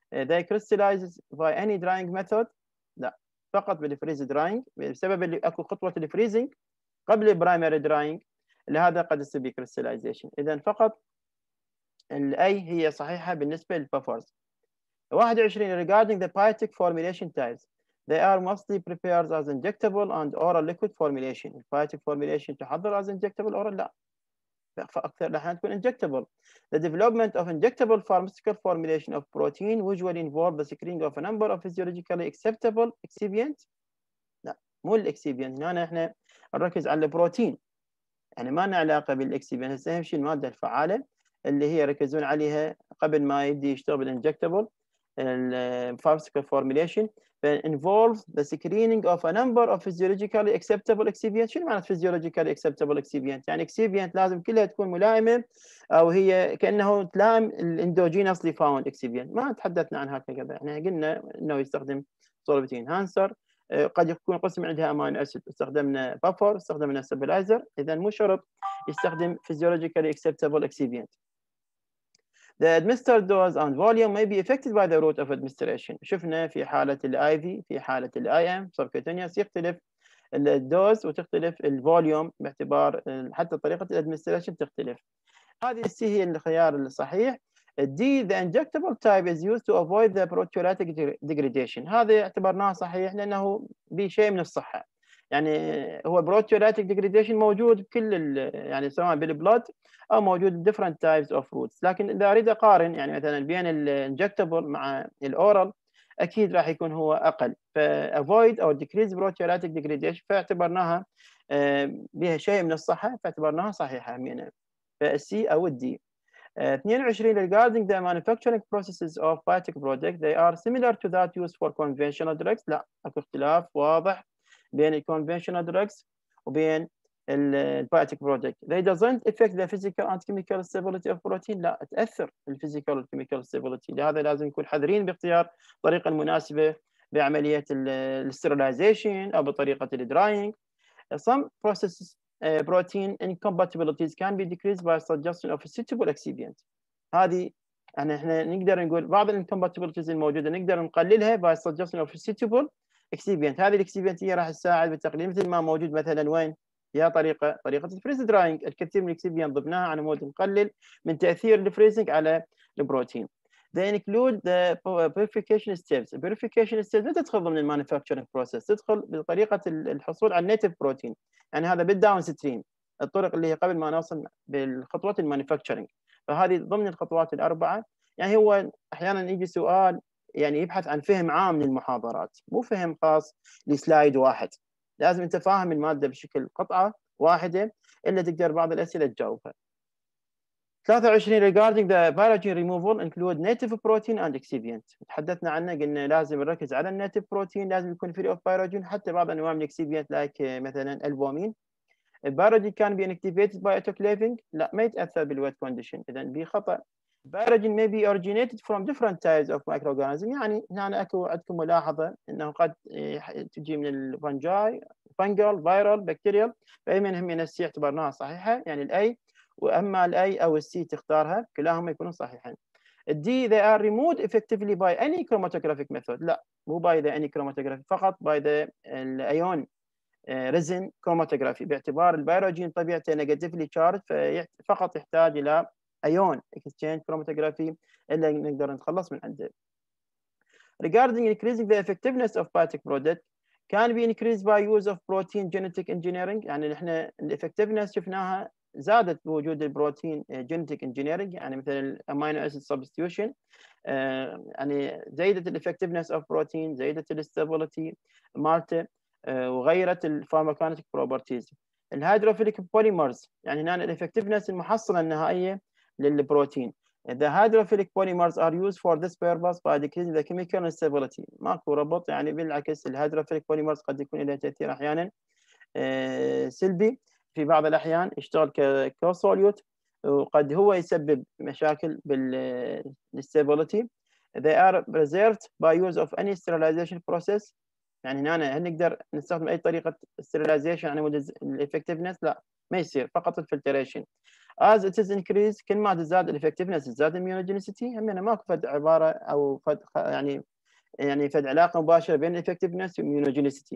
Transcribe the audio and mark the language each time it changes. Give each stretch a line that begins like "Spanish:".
English: They crystallize by any drying method.
Arabic: لا فقط بالفريز دراينج، بسبب اللي اكو خطوه الفريزنج قبل البرايمري دراينج لهذا قد يصير بكريستلايزيشن. اذا فقط الاي هي صحيحه بالنسبه للبفرز.
English: 21 regarding the biotic formulation types. They are mostly prepared as injectable and oral liquid formulation. Biotic formulation
Arabic: تحضر
English: as injectable oral؟ لا
Arabic: فأكثر الأحيان تكون injectable.
English: The development of injectable pharmaceutical formulation of protein usually involve the screening of a number of physiologically acceptable excipients.
Arabic: لا مو الاكسيبيانت، هنا احنا نركز على البروتين، يعني ما لنا علاقة بالاكسيبيانت، هسه اهم شيء المادة الفعالة اللي هي يركزون عليها قبل ما يبدي يشتغل بالانجكتبل pharmaceutical formulation.
English: But involves the screening of a number of physiologically acceptable excipients.
Arabic: شنو معنى physiologically acceptable excipient؟ يعني excipient لازم كلها تكون ملائمة أو هي كأنه تلائم الاندوجينسلي فاوند excipient. ما تحدثنا عن هكذا، احنا قلنا انه يستخدم سولفت انهانسر، قد يكون قسم عندها امينو اسيد، استخدمنا بافر، استخدمنا ستابلايزر، اذا مو شرط يستخدم physiologically acceptable excipient.
English: The administered dose and volume may be affected by the route of administration.
Arabic: شفنا في حالة الـ IV، في حالة الـ IM، subcutaneous يختلف الـ dose وتختلف الـ volume باعتبار حتى طريقة الـ administration تختلف. هذه السي هي الخيار الصحيح.
English: D, the injectable type is used to avoid the proteolytic degradation.
Arabic: هذا اعتبرناه صحيح لأنه بشيء من الصحة. يعني هو بروتيولاتيك ديجريديشن موجود بكل يعني سواء بالبلود او موجود ديفرنت تايبس اوف روتس، لكن اذا اريد اقارن يعني مثلا بين الانجكتبل مع الاورال اكيد راح يكون هو اقل، فافويد او ديكريز بروتيولاتيك ديجريديشن فاعتبرناها بها شيء من الصحه فاعتبرناها صحيحه من السي او الدي.
English: 22 regarding the manufacturing processes of biotech product they are similar to that used for conventional drugs.
Arabic: لا اكو اختلاف واضح بين الـ conventional drugs وبين الـ biotech product.
English: They doesn't affect the physical and chemical stability of protein.
Arabic: لا تأثر الـ
English: physical and chemical stability.
Arabic: لهذا لازم نكون حذرين باختيار الطريقة المناسبة بعملية الـ sterilization أو بطريقة الـ drying.
English: Some processes protein incompatibilities can be decreased by suggestion of a suitable excipient.
Arabic: هذه يعني احنا نقدر نقول بعض الـ incompatibilities الموجودة نقدر نقللها
English: by suggestion of a suitable
Arabic: اكسيبيانت. هذه الاكسيبيانت هي راح تساعد بالتقليل مثل ما موجود مثلا وين؟ يا طريقه الفريز دراينج، الكثير من الاكسيبيانت ضبناها على مود نقلل من تاثير الفريزنج على البروتين.
English: They include the purification steps.
Arabic: Purification steps متى تدخل ضمن المانيفاكتشرنج بروسيس؟ تدخل بطريقه الحصول على النيتف بروتين، يعني هذا بالداون ستريم الطرق اللي هي قبل ما نوصل بالخطوات المانيفاكتشرنج، فهذه ضمن الخطوات الاربعه. يعني هو احيانا يجي سؤال يعني يبحث عن فهم عام للمحاضرات، مو فهم خاص لسلايد واحد. لازم انت فاهم المادة بشكل قطعة واحدة الا تقدر بعض الأسئلة تجاوبها.
English: 23 regarding the biogen removal include native protein and excipient.
Arabic: تحدثنا عنه قلنا لازم نركز على النيتف بروتين، لازم يكون
English: free of biogen
Arabic: حتى بعض انواع من الاكسيبيانت لايك مثلا البومين.
English: Biogen can be inactivated by autoclaving.
Arabic: لا ما يتأثر بالويت كونديشن، اذا بي خطأ.
English: Biogen may be originated from different types of microorganisms.
Arabic: يعني هنا اكو عندكم ملاحظه انه قد تجي من الفنجاي، فنجال، فيرال، بكتيريال، فاي منهم من السي اعتبرناها صحيحه، يعني الاي، واما الاي او السي تختارها كلاهما يكونوا صحيحين.
English: الدي they are removed effectively by any chromatographic method.
Arabic: لا مو
English: by the any chromatographic
Arabic: فقط by the الايون ريزن كروماتوغرافي، باعتبار البيروجين طبيعته نيجاتيفلي تشارج فقط يحتاج الى ايون اكستشينج كروماتوغرافي الا نقدر نتخلص من عنده.
English: Regarding increasing the effectiveness of biotech product can be increased by use of protein genetic engineering.
Arabic: يعني احنا الافكتيفنس شفناها زادت بوجود البروتين جينيتيك انجينيرنج، يعني مثلا الامينو اسيد سبستيوشن، يعني زادت الافكتيفنس اوف بروتين، زادت الاستابيليتي مالته وغيرت الفارماكونيتيك بروبرتيز. الهيدروفيليك بوليمرز يعني هنا الافكتيفنس المحصله النهائيه للبروتين.
English: The hydrophilic polymers are used for this purpose by decreasing the chemical instability.
Arabic: ماكو ربط، يعني بالعكس الهيدروفيليك بوليمرز قد يكون لها تأثير أحيانا سلبي في بعض الأحيان، يشتغل كوسوليوت وقد هو يسبب مشاكل بالinstability.
English: They are preserved by use of any sterilization process.
Arabic: يعني هنا هل نقدر نستخدم أي طريقة sterilization على مود الإفكتيفنس؟ لا ما يصير، فقط الفلتريشن.
English: As it is increased
Arabic: كل ما تزداد الافكتيفنس تزداد الميونوجينيسيتي. هم يعني ماكو فد عباره او فد يعني فد علاقه مباشره بين الافكتيفنس والميونوجينيسيتي.